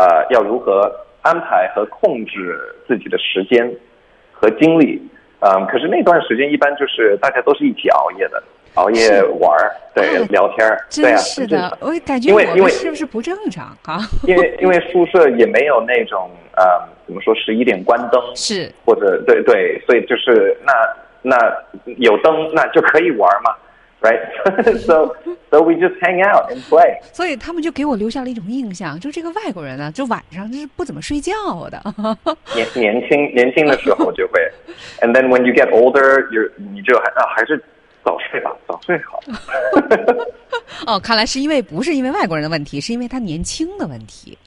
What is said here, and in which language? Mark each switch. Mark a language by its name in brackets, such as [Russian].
[Chinese] 要如何安排和控制自己的时间和精力，可是那段时间一般就是大家都是一起熬夜的，熬夜玩儿，对，聊天，对啊，是的，我感觉我们是不是不正常啊？因为宿舍也没有那种怎么说十一点关灯，是或者对对，所以就是那有灯那就可以玩嘛。 [English] Right, so we just hang out and play. [Chinese] 所以他们就给我留下了一种印象，就这个外国人呢、啊，就晚上就是不怎么睡觉的。年轻的时候就会， [English] and then when you get older, you [Chinese] 还是早睡吧，早睡好。哦，看来是因为不是因为外国人的问题，是因为他年轻的问题。